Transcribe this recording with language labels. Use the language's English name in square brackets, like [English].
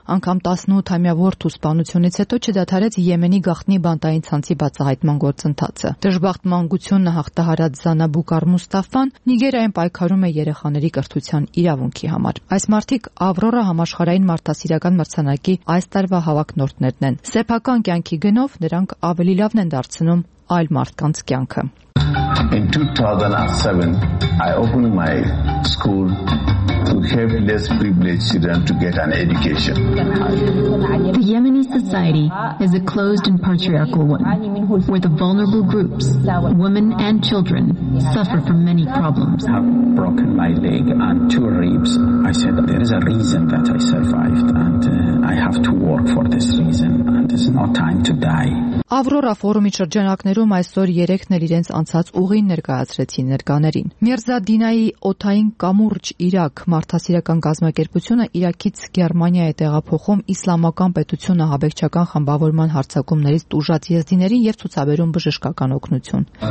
[Armenian] անգամ 18-ամյա որդու սպանությունից հետո չդադարեց Եմենի գաղտնի բանտային ցանցի բացահայտման գործընթացը։ Դժբախտ մանկությունն հաղթահարած Զանաբու Կարմուստաֆան Նիգերիայում պայքարում է երեխաների կրթության իրավունքի համար։ Այս մարդիկ Ավրորա համաշխարհային մարդասիրական մրցանակի այս տարվա հավակնորդներն են։ Սեփական կյանքի գնով նրանք ավելի լավն են դարձնում այլ մարդկանց կյանքը։ [English] In 2007, I opened my school to help less privileged children to get an education. The Yemeni society is a closed and patriarchal one, where the vulnerable groups, women and children, suffer from many problems. I have broken my leg and two ribs. I said there is a reason that I survived, and I have to work for this reason, and it's not time to die. [Armenian] Ավրորա ֆորումի շրջանակներում այսօր երեքն էլ իրենց անցած ուղին ներկայացրեցին ներկաներին։ Միրզա Դինայի օթային կամուրջ Իրաք մարդասիրական գազմակերպությունը Իրաքից Գերմանիա է տեղափոխում իսլամական պետությունը հաբեկչական խմբավորման հարձակումներից տուժած եզդիներին եւ ցուցաբերում բժշկական օգնություն։